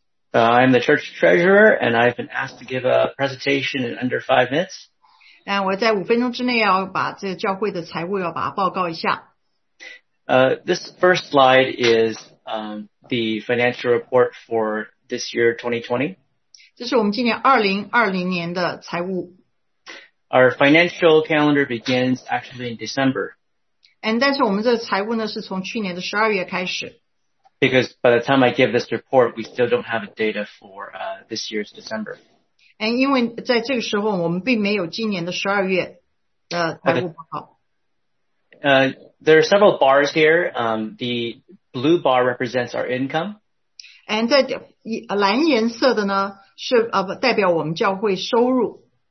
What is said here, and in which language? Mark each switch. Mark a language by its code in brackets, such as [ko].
[en] I'm the church treasurer and I've been asked to give a presentation in under 5 minutes. [zh] 我在五分钟之内要把这教会的财务要把它报告一下。 [en] This first slide is, the financial report for this year 2020. [zh] 这是我们今年2020年的财务。 [en] Our financial calendar begins actually in December. [zh] And 但是我们这个财务呢是从去年的12月开始。 [en] Because by the time I give this report, we still don't have data for this year's December. [zh] And 因为在这个时候我们并没有今年的12月的财务报告。 [en] There are several bars here. The blue bar represents our income. [zh] And 在蓝颜色的呢是代表我们教会收入。